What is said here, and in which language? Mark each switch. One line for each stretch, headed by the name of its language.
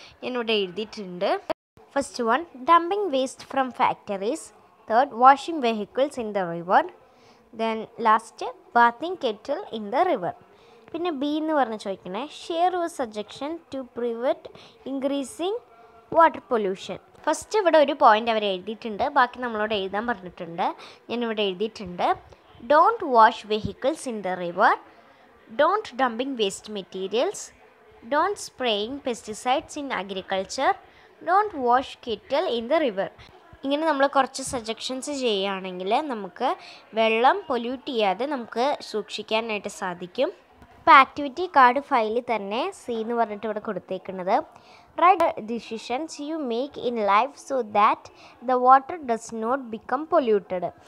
Malayalam: ഞാനിവിടെ എഴുതിയിട്ടുണ്ട്
English: First 1 dumping waste from factories, third washing vehicles in the river, then last bathing cattle in the river.
Malayalam: പിന്നെ B എന്ന് പറഞ്ഞ് ചോദിക്കണേ
English: Share your suggestion to prevent increasing water pollution.
Malayalam: First ഇവിടെ ഒരു point അവർ എഴുതിയിട്ടുണ്ട്, ബാക്കി നമ്മളോട് എഴുതാൻ പറഞ്ഞിട്ടുണ്ട്. ഞാനിവിടെ എഴുതിയിട്ടുണ്ട്
English: Don't wash vehicles in the river, Don't dumping waste materials, don't spraying pesticides in agriculture, don't wash cattle in the river.
Malayalam: ഇങ്ങനെ നമ്മൾ കുറച്ച് സജഷൻസ് ചെയ്യുകയാണെങ്കിൽ നമുക്ക് വെള്ളം പൊല്യൂട്ട് ചെയ്യാതെ നമുക്ക് സൂക്ഷിക്കാനായിട്ട് സാധിക്കും. ഇപ്പോൾ ആക്ടിവിറ്റി കാർഡ് ഫയലിൽ തന്നെ സി എന്ന് പറഞ്ഞിട്ട് ഇവിടെ കൊടുത്തേക്കുന്നത്,
English: Right decisions you make in life so that the water does not become polluted.